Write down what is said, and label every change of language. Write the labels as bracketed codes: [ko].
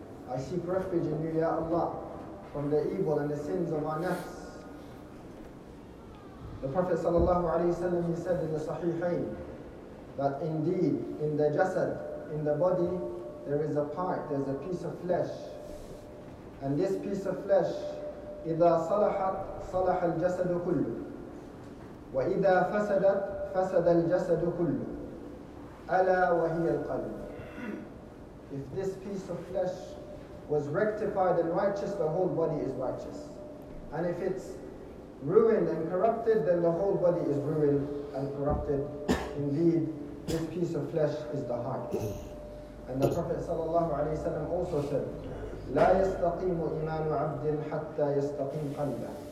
[en] I seek refuge in you, Ya Allah, from the evil and the sins of our nafs. The Prophet sallallahu alayhi wa sallam, he said in the Sahihain that indeed in the jasad, in the body, there is a part, there's a piece of flesh. And this piece of flesh, [ar] إِذَا صَلَحَتْ صَلَحَ الْجَسَدُ كُلُّ وَإِذَا فَسَدَتْ فَسَدَ الْجَسَدُ كُلُّ أَلَا وَهِيَ الْقَلْبُ. [en] If this piece of flesh was rectified and righteous, the whole body is righteous. And if it's ruined and corrupted, then the whole body is ruined and corrupted. Indeed, this piece of flesh is the heart. And the Prophet sallallahu alayhi wa sallam also said, [ar] لَا يَسْتَقِيمُ إِمَانُ عَبْدٍ حَتَّى يَسْتَقِيمُ قَلْبًا.